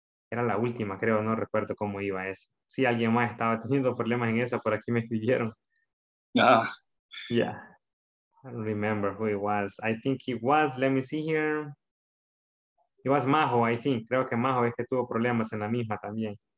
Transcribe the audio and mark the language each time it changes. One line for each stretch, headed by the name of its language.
Spanish: Era la última, creo, no recuerdo cómo iba esa. Sí, alguien más estaba teniendo problemas en esa, por aquí me escribieron. Ah.
English: Yeah. I don't remember who it was. I think it was, let me see here. It was Majo, I think.
Spanish: Creo que Majo es que tuvo problemas en la misma también.